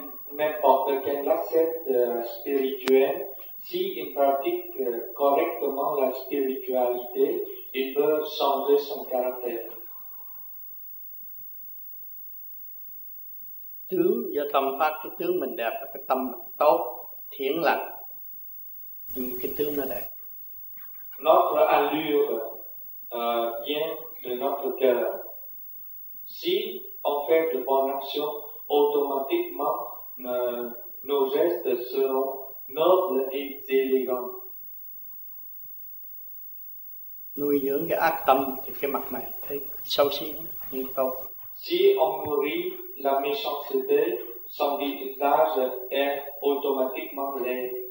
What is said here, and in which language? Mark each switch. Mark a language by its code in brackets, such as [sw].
[fr] N'importe quel aspect spirituel, si il pratique correctement la spiritualité, il peut changer son caractère. [vi] Tướng do tâm phát, cái tướng mình đẹp là cái tâm tốt, thiện lành, nhưng cái tướng nó đẹp. [fr] Notre allure vient de notre cœur. Si on fait de bonnes actions, automatiquement nos gestes seront nobles et élégants. [vi] Nuôi dưỡng cái ác tâm thì cái mặt mày thấy xấu xí như tôi. [fr] Si on nourrit la méchanceté, son visage est automatiquement laid.